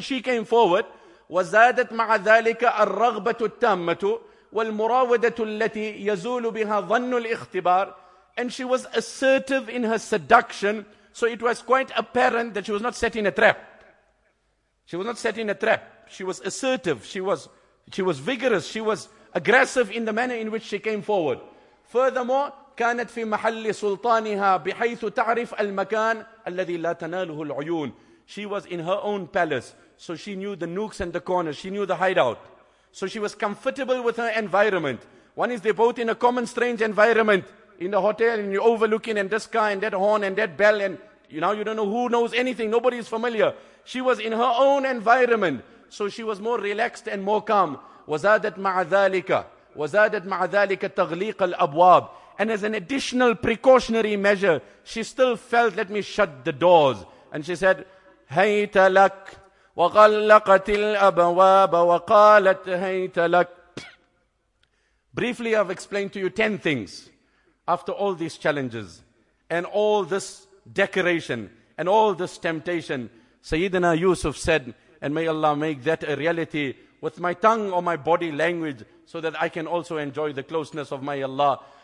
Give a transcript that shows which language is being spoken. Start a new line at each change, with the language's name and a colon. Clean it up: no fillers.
English: She came forward.
Arabic: وَزَادَتْ مَعَ ذَٰلِكَ الرَّغْبَةُ التَّامَّةُ وَالْمُرَاوَدَةُ الَّتِي يَزُولُ بِهَا ظَنُّ الْإِخْتِبَارِ.
English: And she was assertive in her seduction. So it was quite apparent that she was not set in a trap. She was not set in a trap. She was assertive. She was vigorous. She was aggressive in the manner in which she came forward.
Arabic: Furthermore, كانت في محل سلطانها بحيث تعرف المكان الذي لا تناله العيون.
English: She was in her own palace. So she knew the nooks and the corners. She knew the hideout. So she was comfortable with her environment. One is they're both in a common strange environment. In the hotel and you're overlooking and this car and that horn and that bell. And you know, you don't know who knows anything. Nobody is familiar. She was in her own environment. So she was more relaxed and more calm.
Arabic: وَزَادَتْ مَعَ ذَٰلِكَ وَزَادَتْ مَعَ ذَٰلِكَ تَغْلِيقَ الْأَبْوَابِ.
English: And as an additional precautionary measure, she still felt, let me shut the doors. And she said,
Arabic: هَيْتَ لَكْ وَغَلَّقَتِ الْأَبْوَابَ وَقَالَتْ هَيْتَ لَكْ.
English: Briefly, I've explained to you 10 things. After all these challenges, and all this decoration, and all this temptation, Sayyidina Yusuf said, and may Allah make that a reality, with my tongue or my body language, so that I can also enjoy the closeness of my Allah.